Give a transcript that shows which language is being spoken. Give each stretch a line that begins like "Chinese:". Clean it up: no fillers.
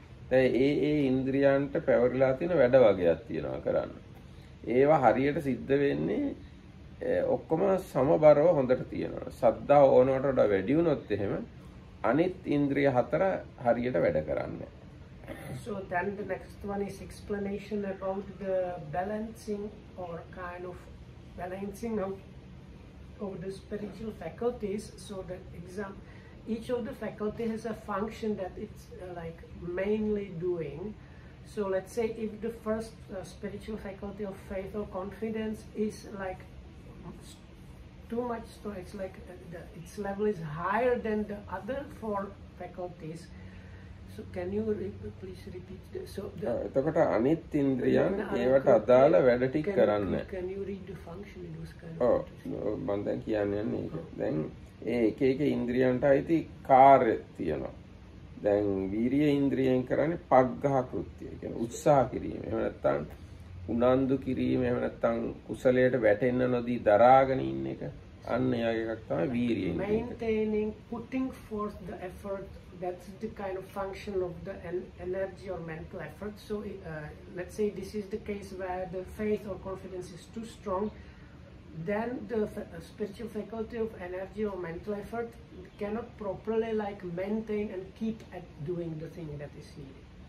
Sinhala: දැන් ඒ ඉන්ද්‍රියන්ට පැවරිලා තියෙන වැඩ වගේක් තියෙනවා කරන්න. ඒවා හරියට සිද්ධ වෙන්නේ ඔක්කොම සමබරව හොඳට තියෙනවා. සද්දා ඕනවට වඩා වැඩි වුණොත් එහෙම අනිත් ඉන්ද්‍රිය හතර හරියට වැඩ කරන්නේ.
English: So then the next one is explanation about the balancing or kind of balancing of the spiritual faculties. So the exam, each of the faculty has a function that it's like mainly doing. So let's say if the first spiritual faculty of faith or confidence is like too much, so it's like its level is higher than the other four faculties. So can you please repeat the, so the
Sinhala: එතකොට අනිත් ඉන්ද්‍රියන් ඒවට අදාළ වැඩ ටික කරන්න.
English: Can you read the function in those kind of
Sinhala: මම දැන් කියන්නේ මේක. දැන් ඒ එක එක ඉන්ද්‍රියන්ට අයිති කාර්ය තියෙනවා. දැන් වීරිය ඉන්ද්‍රියෙන් කරන්නේ පග්ඝහ කෘත්‍ය. ඒ කියන්නේ උත්සාහ කිරීම. එහෙම නැත්නම් උනන්දු කිරීම. එහෙම නැත්නම් කුසලයට වැටෙන්න නොදී දරාගෙන ඉන්න එක. අන්න ඒ වගේ එකක් තමයි වීරිය ඉන්ද්‍රිය.
English: Maintaining, putting forth the effort, that's the kind of function of the energy or mental effort. So let's say this is the case where the faith or confidence is too strong. Then the spiritual faculty of energy or mental effort cannot properly like maintain and keep at doing the thing that is needed.